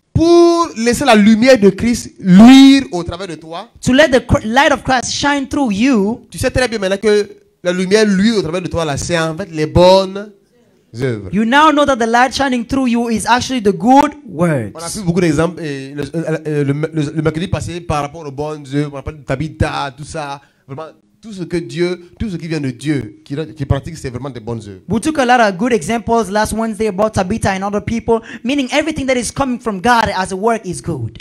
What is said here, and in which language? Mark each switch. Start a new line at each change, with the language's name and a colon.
French: Pour laisser la lumière de Christ luire au travers de toi.
English: To let the light of Christ shine through you.
French: Tu sais très bien maintenant que la lumière luire au travers de toi là, c'est en fait les bonnes œuvres.
English: You now know that the light shining through you is actually the good words.
French: On a vu beaucoup d'exemples le mercredi passé par rapport aux bonnes œuvres, par rapport à Tabitha, tout ça, vraiment. Tout ce que Dieu, tout ce qui vient de Dieu, qui pratique, c'est vraiment des bonnes œuvres.
English: We took a lot of good examples last Wednesday about Tabitha and other people, meaning everything that is coming from God as a work is good.